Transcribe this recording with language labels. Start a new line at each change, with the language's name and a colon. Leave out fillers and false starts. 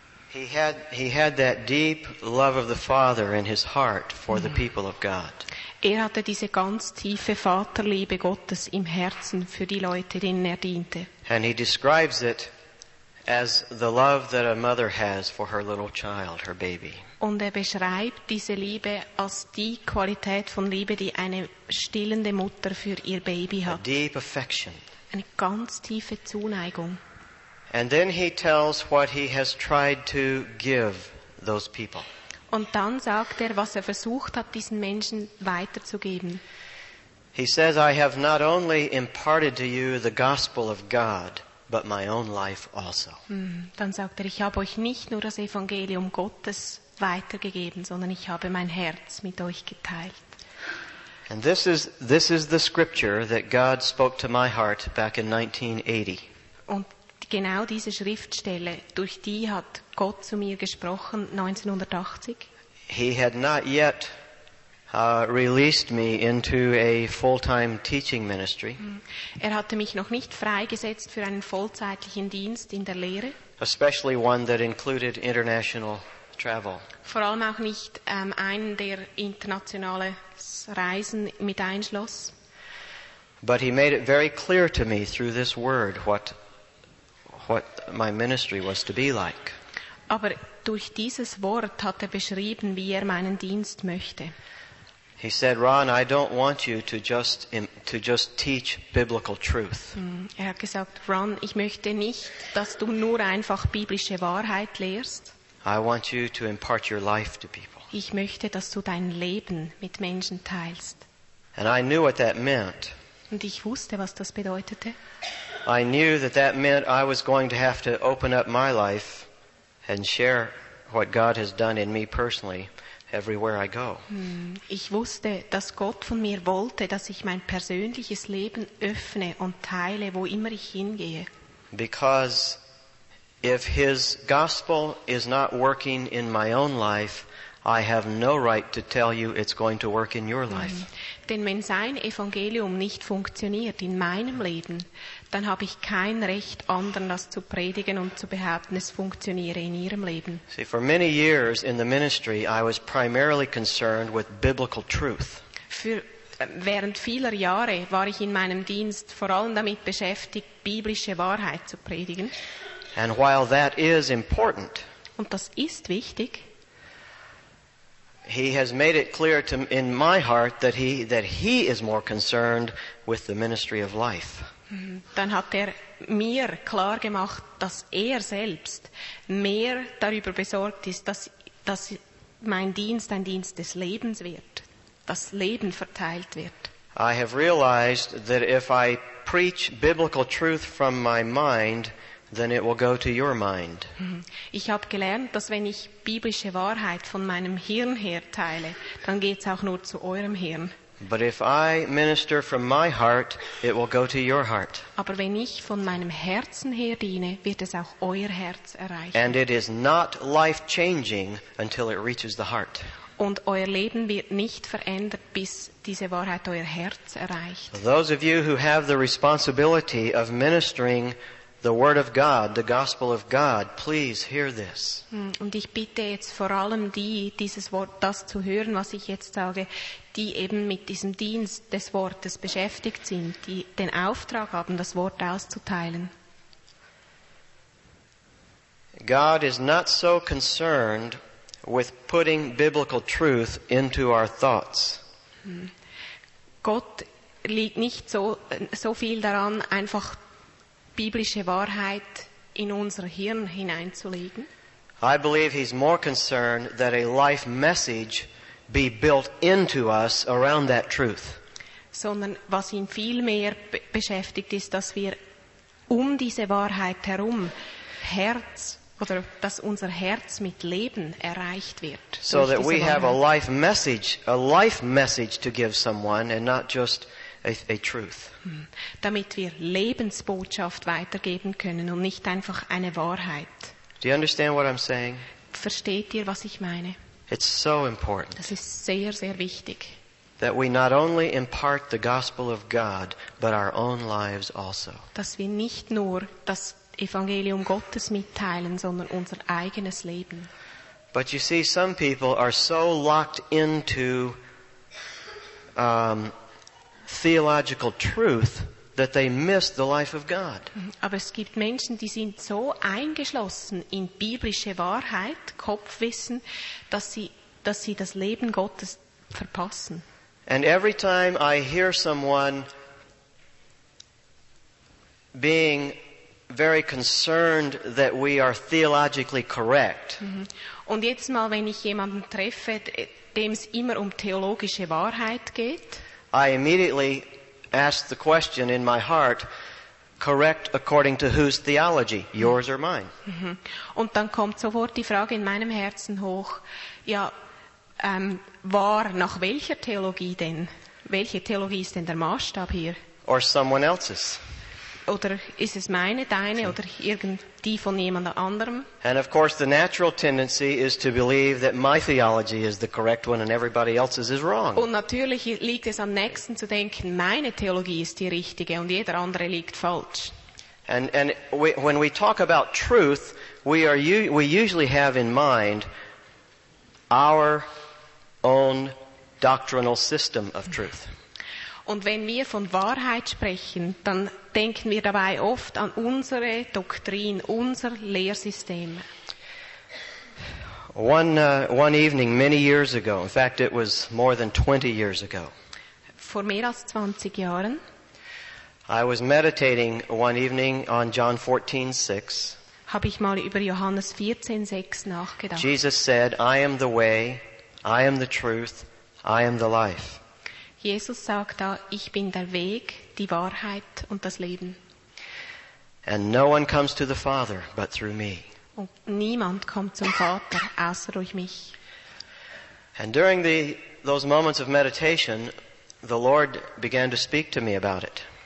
English: He had that deep love of the Father in his heart for the people of God.
German: Er hatte diese ganz tiefe Vaterliebe Gottes im Herzen für die Leute, denen er diente.
English: And he describes it As the love that a mother has for her little child, her baby.
German: Und er beschreibt diese Liebe als die Qualität von Liebe, die eine stillende Mutter für ihr Baby hat.
English: A deep affection.
German: Eine ganz tiefe Zuneigung.
English: And then he tells what he has tried to give those people.
German: Und dann sagt er, was er versucht hat, diesen Menschen weiterzugeben.
English: He says, I have not only imparted to you the gospel of God, but my own life also.
German: Dann sagt er, ich habe euch nicht nur das Evangelium Gottes weitergegeben, sondern ich habe mein Herz mit euch geteilt.
English: And this is the scripture that God spoke to my heart back in 1980.
German: Und genau diese Schriftstelle, durch die hat Gott zu mir gesprochen 1980.
English: He had not yet released me into a full-time teaching ministry.
German: Er hatte mich noch nicht freigesetzt für einen vollzeitlichen Dienst in der Lehre.
English: Especially one that included international travel.
German: Vor allem auch nicht einen, der internationale Reisen mit einschloss.
English: But he made it very clear to me through this word what my ministry was to be like.
German: Aber durch dieses Wort hat er beschrieben, wie er meinen Dienst möchte.
English: He said, Ron, I don't want you to just teach biblical truth.
German: Er hat gesagt, Ron, ich möchte nicht, dass du nur einfach biblische Wahrheit lehrst.
English: I want you to impart your life to people.
German: Ich möchte, dass du dein Leben mit Menschen teilst.
English: And I knew what that meant.
German: Und ich wusste, was das bedeutete.
English: I knew that meant I was going to have to open up my life and share what God has done in me personally. Everywhere I go.
German: Ich wusste, dass Gott von mir wollte, dass ich mein persönliches Leben öffne und teile, wo immer ich hingehe.
English: Because if his gospel is not working in my own life, I have no right to tell you it's going to work in your life.
German: Denn wenn sein Evangelium nicht funktioniert in meinem Leben, dann habe ich kein Recht, anderen das zu predigen und zu behaupten, es funktioniere in ihrem Leben.
English: See, for many years in the ministry, I was primarily concerned with biblical truth.
German: Während vieler Jahre war ich in meinem Dienst vor allem damit beschäftigt, biblische Wahrheit zu predigen.
English: And while that is important,
German: und das ist wichtig,
English: he has made it clear to in my heart that he is more concerned with the ministry of life.
German: Dann hat er mir klar gemacht, dass er selbst mehr darüber besorgt ist, dass mein Dienst ein Dienst des Lebens wird, das Leben verteilt wird.
English: I have realized that if I preach biblical truth from my mind, then it will go to your mind.
German: Ich habe gelernt, dass wenn ich biblische Wahrheit von meinem Hirn her teile, dann geht's auch nur zu eurem Hirn.
English: But if I minister from my heart, it will go to your heart.
German: Aber wenn ich von meinem Herzen her diene, wird es auch euer Herz erreichen.
English: And it is not life-changing until it reaches the heart.
German: Und euer Leben wird nicht verändert, bis diese Wahrheit euer Herz erreicht.
English: Those of you who have the responsibility of ministering the word of God, the gospel of God, please hear this.
German: Und ich bitte jetzt vor allem die, dieses Wort, das zu hören, was ich jetzt sage, die eben mit diesem Dienst des Wortes beschäftigt sind, die den Auftrag haben, das Wort auszuteilen.
English: God is not so concerned with putting biblical truth into our thoughts.
German: Gott liegt nicht so viel daran, einfach biblische Wahrheit in unser Hirn hineinzulegen.
English: I believe he's more concerned that a life message be built into us around that truth.
German: Sondern was ihn viel mehr beschäftigt ist, dass wir um diese Wahrheit herum Herz oder dass unser Herz mit Leben erreicht wird.
English: So that we have a life message to give someone and not just a truth.
German: Damit wir Lebensbotschaft weitergeben können und nicht einfach eine Wahrheit.
English: Do you understand what I'm saying?
German: Versteht ihr, was ich meine?
English: It's so important.
German: Das ist sehr, sehr wichtig.
English: That we not only impart the gospel of God, but our own lives also.
German: Dass wir nicht nur das Evangelium Gottes mitteilen, sondern unser eigenes Leben.
English: But you see, some people are so locked into theological truth that they miss the life of God.
German: Aber es gibt Menschen, die sind so eingeschlossen in biblische Wahrheit, Kopfwissen, dass sie das Leben Gottes verpassen.
English: And every time I hear someone being very concerned that we are theologically correct.
German: Und jetzt mal, wenn ich jemanden treffe, dem es immer theologische Wahrheit geht,
English: I immediately ask the question in my heart, correct according to whose theology, yours or mine?
German: Und dann kommt sofort die Frage in meinem Herzen hoch, ja, war nach welcher Theologie denn? Welche Theologie ist denn der Maßstab hier?
English: Or someone else's.
German: Oder ist es meine, deine oder irgendwie von jemand anderem?
English: And of course the natural tendency is to believe that my theology is the correct one and everybody else's is wrong.
German: Und natürlich liegt es am nächsten zu denken, meine Theologie ist die richtige und jeder andere liegt falsch.
English: And when we talk about truth, we usually have in mind our own doctrinal system of truth.
German: Und wenn wir von Wahrheit sprechen, dann denken wir dabei oft an unsere Doktrin, unser Lehrsystem.
English: One evening many years ago, in fact it was more than 20 years ago.
German: Vor mehr als 20 Jahren.
English: I was meditating one evening on John 14:6.
German: Habe ich mal über Johannes 14:6 nachgedacht.
English: Jesus said, I am the way, I am the truth, I am the life.
German: Jesus sagt da, ich bin der Weg, die Wahrheit und das Leben.
English: And no one comes to the Father but through me.
German: Und niemand kommt zum Vater außer durch mich.
English: And during those moments of meditation, the Lord began to speak to me about it.